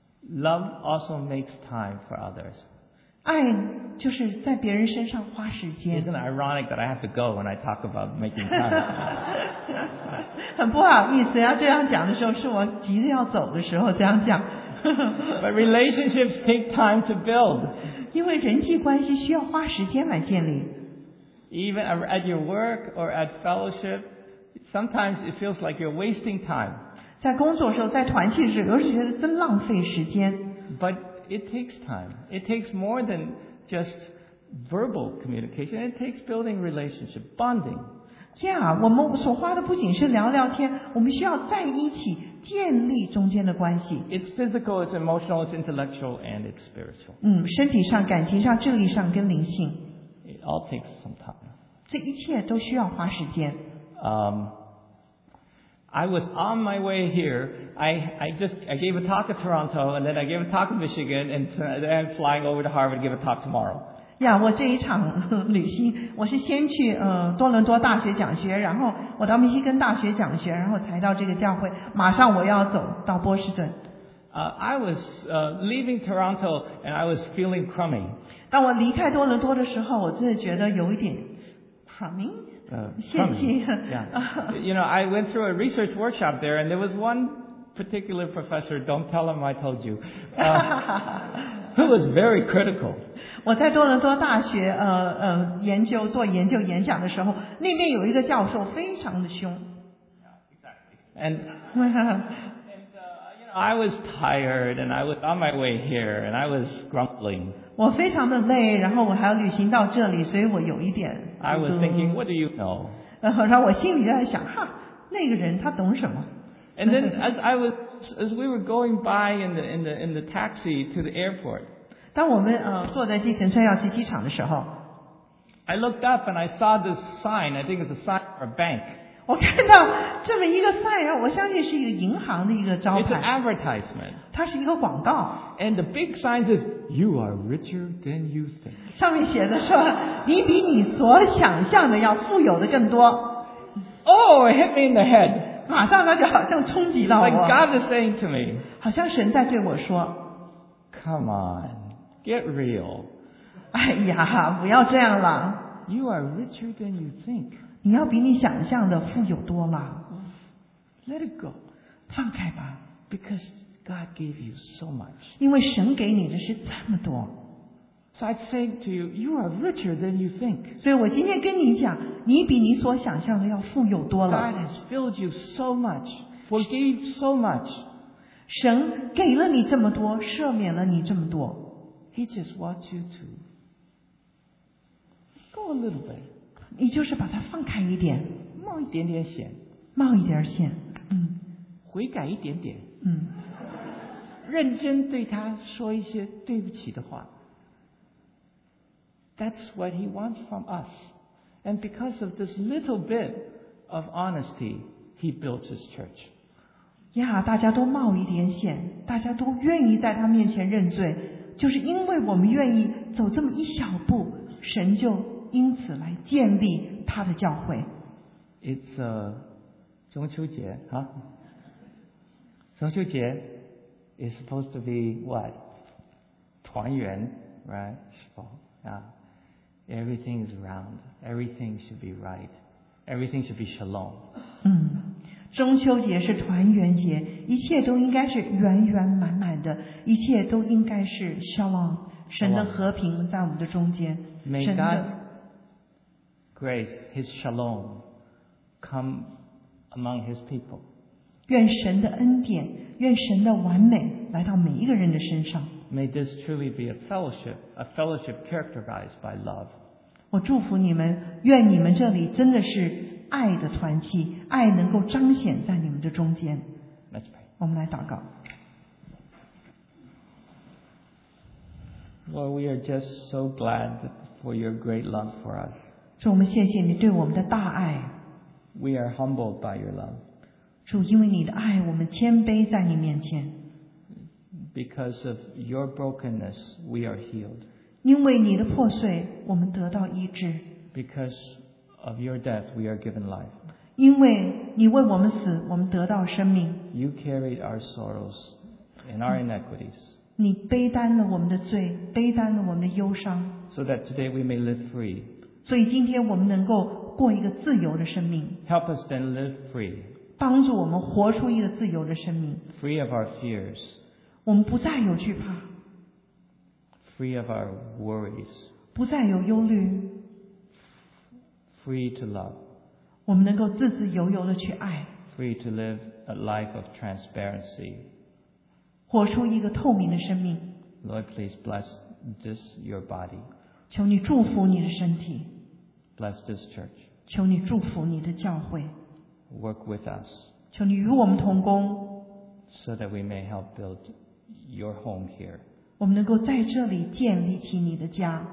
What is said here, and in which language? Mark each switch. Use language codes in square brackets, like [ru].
[en] Love also makes time for others. [zh] 爱就是在别人身上花时间。 [en] Isn't it ironic that I have to go when I talk about making time? [zh] 很不好意思，要这样讲的时候，是我急着要走的时候这样讲。 [en] But relationships take time to build. [zh] 因为人际关系需要花时间来建立。 [en] Even at your work or at fellowship, sometimes it feels like you're wasting time. [zh] 在工作的时候，在团契的时候，有时觉得真浪费时间。 [en] But it takes time. It takes more than just verbal communication. It takes building relationship, bonding. [zh] Yeah, 我们所花的不仅是聊聊天，我们需要在一起建立中间的关系。 [en] It's physical, it's emotional, it's intellectual, and it's spiritual. [zh] 身体上、感情上、智力上跟灵性。 [en] It all takes some time. [zh] 这一切都需要花时间。 [en] I was on my way here. I gave a talk at Toronto, and then I gave a talk in Michigan, and then I'm flying over to Harvard to give a talk tomorrow. [zh] Yeah, 我这一场旅行，我是先去多伦多大学讲学，然后我到密西根大学讲学，然后才到这个教会。马上我要走到波士顿。 [en] I was leaving Toronto, and I was feeling crummy. [zh] 当我离开多伦多的时候，我真的觉得有一点 crummy。 [en] Yeah. You know, I went through a research workshop there, and there was one particular professor, don't tell him I told you, who was very critical. [zh] 我在多伦多大学研究做研究演讲的时候，那边有一个教授非常的凶。 [en] And you know, I was tired, and I was on my way here, and I was grumbling. [zh] 我非常的累，然后我还要旅行到这里，所以我有一点。 [en] I was thinking, what do you know? [zh] 然后我心里在想，哈，那个人他懂什么？ [en] And then as we were going by in the taxi to the airport, [zh] 当我们坐在计程车要去机场的时候， [en] I looked up and I saw this sign. I think it's a sign for a bank. [zh] 我看到这么一个 sign， 我相信是一个银行的一个招牌。 [en] It's an advertisement. [zh] 它是一个广告。 [en] And the big sign is, "You are richer than you think." [zh] 上面写的说，你比你所想象的要富有的更多。 [en] Oh, it hit me in the head. [zh] 马上他就好像冲击到我。 [en] Like God is saying to me. [zh] 好像神在对我说 [en] ，Come on, get real. [zh] 哎呀，不要这样了。 [en] You are richer than you think. [zh] 你要比你想象的富有多了。 [en] Let it go. [zh] 放开吧 [en] ，because God gave you so much. [zh] 因为神给你的是这么多。 [en] So I'd say to you, you are richer than you think. [zh] 所以我今天跟你讲，你比你所想象的要富有多了。 [en] God has filled you so much, forgave so much. [zh] 神给了你这么多，赦免了你这么多。 [en] He just wants you to go a little bit. [zh] 你就是把它放开一点，冒一点点险，冒一点险，悔改一点点，嗯，认真对他说一些对不起的话。 [en] That's what he wants from us. And because of this little bit of honesty, he built his church. [zh] Yeah, 大家都冒一点险，大家都愿意在他面前认罪，就是因为我们愿意走这么一小步，神就因此来建立他的教会。 [en] It's a 中秋节啊，中秋节 is supposed to be what? [zh] 团圆 [en] right? [zh] 是否啊？ [en] Everything is round. Everything should be right. Everything should be shalom. [zh] 中秋节是团圆节，一切都应该是圆圆满满的，一切都应该是 shalom， 神的和平在我们的中间。 [en] May God's grace, His shalom, come among His people. [zh] 愿神的恩典，愿神的完美来到每一个人的身上。 [en] May this truly be a fellowship characterized by love. [zh] 我祝福你们，愿你们这里真的是爱的团契，爱能够彰显在你们的中间。 [en] Let's pray. [zh] 我们来祷告。 [en] Lord, we are just so glad for your great love for us. [zh] 主，我们谢谢你对我们的大爱。 [en] We are humbled by your love. [zh] 主，因为你的爱，我们谦卑在你面前。 [en] Because of your brokenness, we are healed. [zh] 因为你的破碎，我们得到医治。 [en] Because of your death, we are given life. [zh] 因为你为我们死，我们得到生命。 [en] You carried our sorrows and our inequities. [zh] 你背担了我们的罪，背担了我们的忧伤。 [en] So that today we may live free. [zh] 所以今天我们能够过一个自由的生命。 [en] Help us then live free. [zh] 帮助我们活出一个自由的生命。 [en] Free of our fears. [zh] 我们不再有惧怕。 [en] Free of our worries. [zh] 不再有忧虑。 [en] Free to love. [zh] 我们能够自自由由的去爱。 [en] Free to live a life of transparency. [zh] 活出一个透明的生命。 [en] Lord, please bless this your body. [zh] 求你祝福你的身体。 [en] Bless this church. [zh] 求你祝福你的教会。 [en] Work with us. [zh] 求你与我们同工。 [en] So that we may help build your home here. [zh] 我们能够在这里建立起你的家。